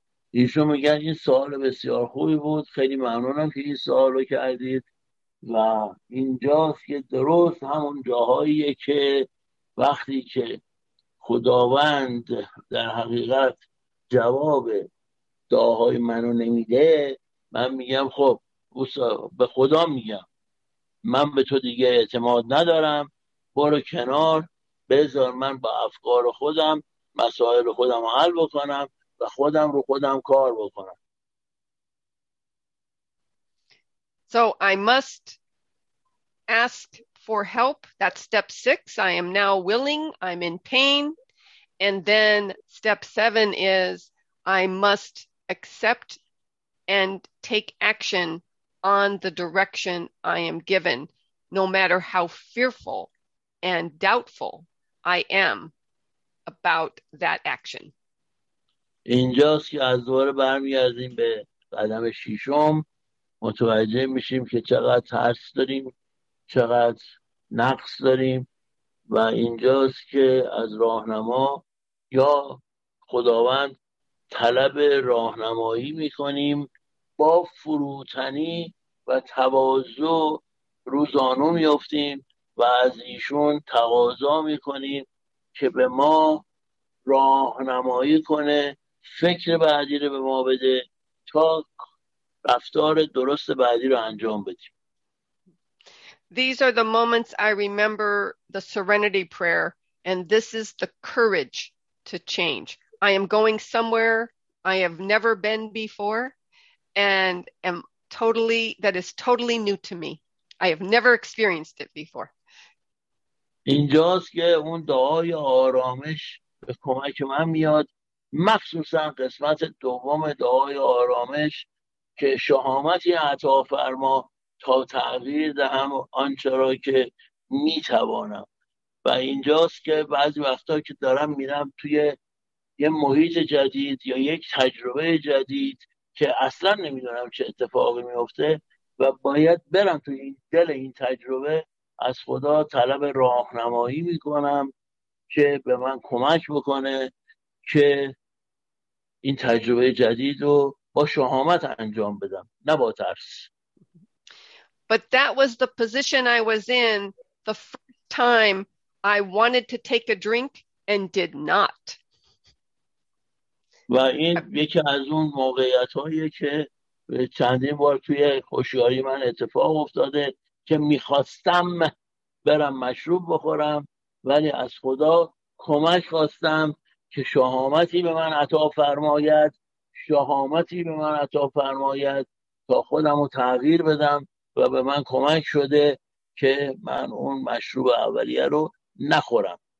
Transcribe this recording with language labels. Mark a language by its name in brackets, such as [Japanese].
[Persian] ایشون میگن این سوال بسیار خوبی بود، خیلی ممنونم که این سوال رو کردید، و اینجاست که درست همون جاهاییه که وقتی که خداوند در حقیقت جواب دعاهای منو نمیده، من میگم خب به خدا میگم من به تو دیگه اعتماد ندارم، برو کنار، بذار من با افکار خودم مسائل خودم رو حل بکنم و خودم رو خودم کار بکنم. [English] So I must ask for help. That's step six. I am now willing. I'm in pain. And then step seven is I must accept and take action on the direction I am given, no matter how fearful and doubtful I am about that action. [Persian] اینجاست که از دوباره برمیگردیم به قدم ششم، متوجه میشیم که چقدر ترس داریم، چقدر نقص داریم، و اینجاست که از راهنما یا خداوند طلب راهنمایی میکنیم، با فروتنی و تواضع رو زانو میافتیم و از ایشون تقاضا میکنیم که به ما راهنمایی کنه، فکر بعدی رو به ما بده تا رفتار درست بعدی رو انجام بدیم. [English] These are the moments I remember the serenity prayer, and this is the courage to change. I am going somewhere I have never been before, and am totally that is totally new to me. I have never experienced it before. [Persian] اینجاست که اون دعای آرامش به کمک من میاد، مخصوصا قسمت دوم دعای آرامش که شهامتی عطا فرما تا تغییر دهم آنچه را که میتوانم. و اینجاست که بعضی وقتا که دارم میرم توی یه محیط جدید یا یک تجربه جدید که اصلا نمیدونم چه اتفاقی میفته و باید برم توی این دل این تجربه، از خدا طلب راهنمایی میکنم که به من کمک بکنه که این تجربه جدید رو با شهامت انجام بدم، نه با ترس. [English] But that was the position I was in the first time I wanted to take a drink and did not. [Persian] و این یکی از اون موقعیتهایی که چندین بار توی هوشیاری من اتفاق افتاده که میخواستم برم مشروب بخورم ولی از خدا کمک خواستم که شهامتی به من عطا فرماید، شهامتی به من عطا فرماید تا خودم رو تغییر بدم، و به من کمک شده که من اون مشروب اولیه رو نخورم.